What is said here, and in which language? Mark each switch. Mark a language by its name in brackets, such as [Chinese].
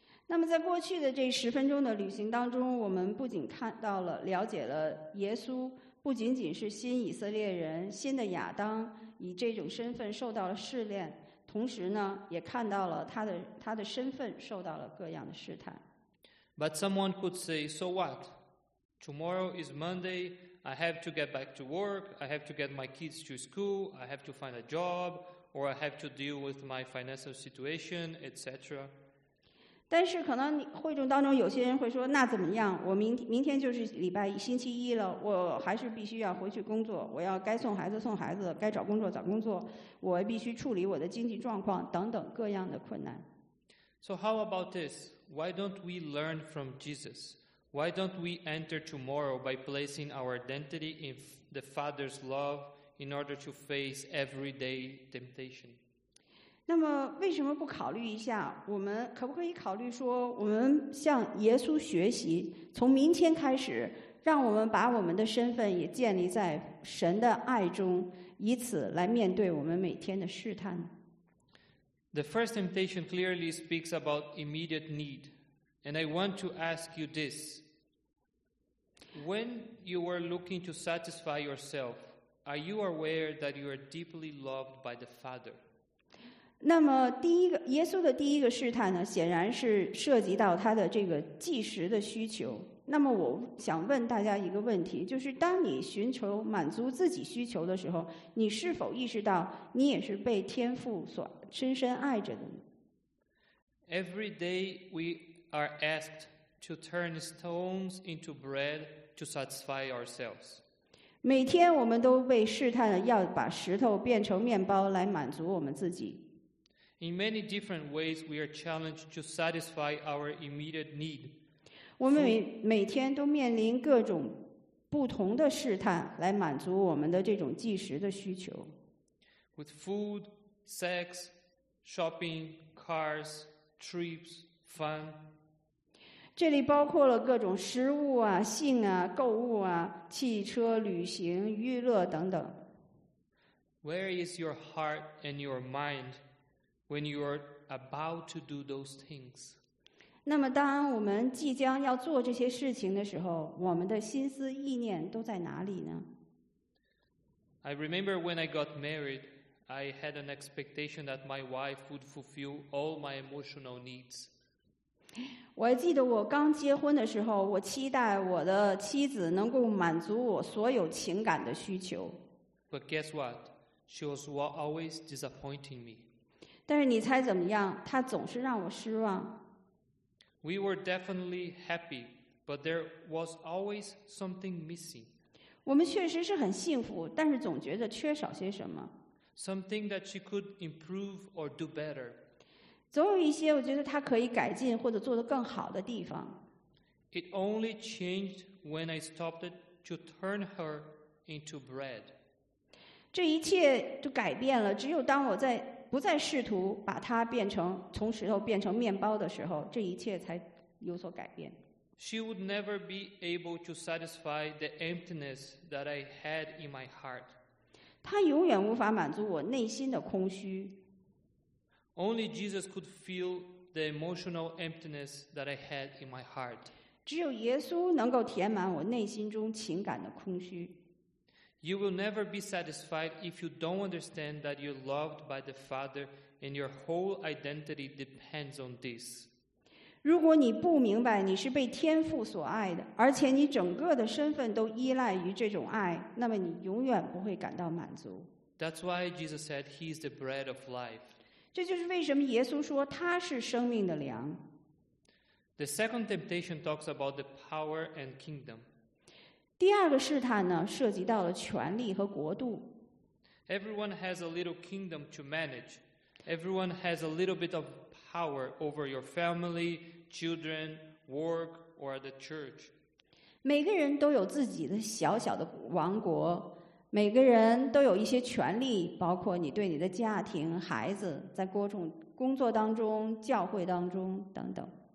[Chinese] 那么在过去的这十分钟的旅行当中，我们不仅看到了了解了耶稣不仅仅是新以色列人，新的亚当以这种身份受到了试炼，同时呢也看到了他的身份受到了各样的试探。 [English] But someone could say, so what? Tomorrow is Monday, I have to get back to work, I have to get my kids to school, I have to find a job, or I have to deal with my financial situation, etc. [Chinese] 但是可能会众当中有些人会说，那怎么样，我明天就是礼拜一星期一了，我还是必须要回去工作，我要该送孩子送孩子，该找工作找工作，我必须处理我的经济状况等等各样的困难。 [English] So how about this? Why don't we learn from Jesus? Why don't we enter tomorrow by placing our identity in the Father's love in order to face every day temptation? [Chinese] 那么为什么不考虑一下，我们可不可以考虑说我们向耶稣学习，从明天开始让我们把我们的身份也建立在神的爱中，以此来面对我们每天的试探。 [English] The first temptation clearly speaks about immediate need, and I want to ask you this. When you are looking to satisfy yourself, are you aware that you are deeply loved by the Father? [Chinese] 那么第一个，耶稣的第一个试探呢，显然是涉及到他的这个即时的需求。那么我想问大家一个问题，就是当你寻求满足自己需求的时候，你是否意识到你也是被天父所深深爱着的呢？ [English] Every day we are asked to turn stones into bread to satisfy ourselves. [Chinese] 每天我们都被试探要把石头变成面包来满足我们自己。 [English] In many different ways we are challenged to satisfy our immediate need. [Chinese] 我们 每天都面临各种不同的试探，来满足我们的这种即时的需求。 [English] With food, sex, shopping, cars, trips, fun. [Chinese] 这里包括了各种食物啊、性啊、购物啊、汽车、旅行、娱乐等等。 [English] Where is your heart and your mind when you are about to do those things? [Chinese] 那么当我们即将要做这些事情的时候，我们的心思意念都在哪里呢？ [English] I remember when I got married, I had an expectation that my wife would fulfill all my emotional needs. [Chinese] 我还记得我刚结婚的时候，我期待我的妻子能够满足我所有情感的需求。 [English] But guess what? She was always disappointing me. [Chinese] 但是你猜怎么样？她总是让我失望。 [English] We were definitely happy, but there was always something missing. [Chinese] 我们确实是很幸福，但是总觉得缺少些什么。 [English] Something that she could improve or do better. [Chinese] 总有一些我觉得她可以改进或者做得更好的地方。 [English] It only changed when I stopped it to turn her into bread. [Chinese] 这一切都改变了，只有当我在不再试图把它变成从石头变成面包的时候，这一切才有所改变。 [English] She would never be able to satisfy the emptiness that I had in my heart. [Chinese] 她永远无法满足我内心的空虚。 [English] Only Jesus could fill the emotional emptiness that I had in my heart. [Chinese] 只有耶稣能够填满我内心中情感的空虚。 [English] You will never be satisfied if you don't understand that you're loved by the Father and your whole identity depends on this. [Chinese] 如果你不明白你是被天父所爱的，而且你整个的身份都依赖于这种爱，那么你永远不会感到满足。 [English] That's why Jesus said he is the bread of life. [Chinese] 这就是为什么耶稣说他是生命的粮。 [English] The second temptation talks about the power and kingdom. [Chinese] 第二个试探呢，涉及到了权力和国度。 [English] Everyone has a little kingdom to manage. Everyone has a little bit of power over your family, children, work, or the church. [Chinese] 每个人都有自己的小小的王国，每个人都有一些权力，包括你对你的家庭、孩子，在工作当中、教会当中等等。